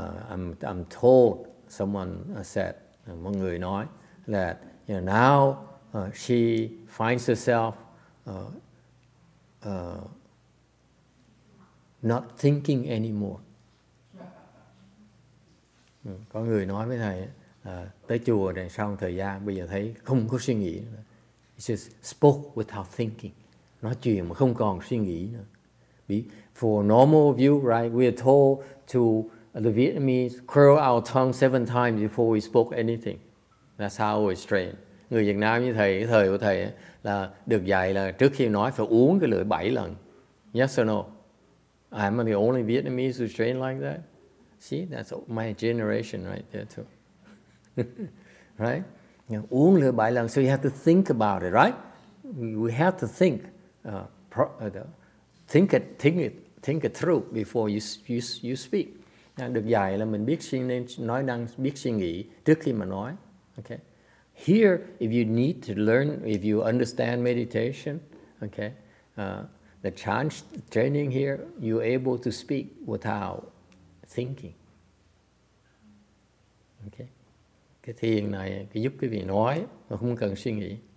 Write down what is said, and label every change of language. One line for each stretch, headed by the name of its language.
English: I'm told someone said,
Vietnamese: một người nói là
English: you know, now she finds herself not thinking anymore.
Vietnamese: Có người nói với thầy tới chùa này sau thời gian bây giờ thấy không có suy nghĩ nữa.
English: He says spoke without thinking.
Vietnamese: Nói chuyện mà không còn suy nghĩ nữa.
English: For normal view, right, we are told to the Vietnamese curl our tongue 7 times before we spoke anything. That's how we train.
Vietnamese: Người Việt Nam như thầy, thời của thầy ấy, là được dạy là trước khi nói phải uống cái lưỡi 7 lần.
English: Yes or no? I'm the only Vietnamese who train like that. See, that's my generation right there too. Right?
Vietnamese: Uống lưỡi 7 lần,
English: so you have to think about it, right? We have to think. Think it through before you speak.
Vietnamese: Được dạy là mình biết suy nói năng, biết suy nghĩ trước khi mà nói.
English: Okay. Here, if you need to learn, if you understand meditation, okay, the chance training here, you're able to speak without thinking. Okay.
Vietnamese: Cái thiền này cái giúp quý vị nói mà không cần suy nghĩ.